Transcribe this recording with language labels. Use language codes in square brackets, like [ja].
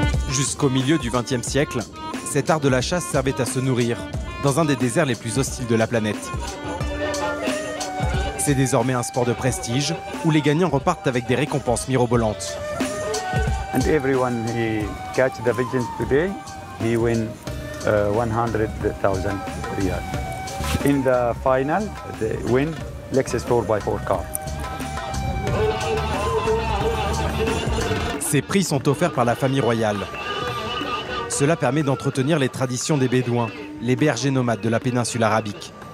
[fr] Jusqu'au milieu du XXe siècle, cet art de la chasse servait à se nourrir dans un des déserts les plus hostiles de la planète. C'est désormais un sport de prestige où les gagnants repartent avec des récompenses mirobolantes. [en] And everyone who catch the pigeon today, he win 100,000 riyal. In the final, they win Lexus 4x4 car. [fr] Ces prix sont offerts par la famille royale. Cela permet d'entretenir les traditions des bédouins, les bergers nomades de la péninsule arabique.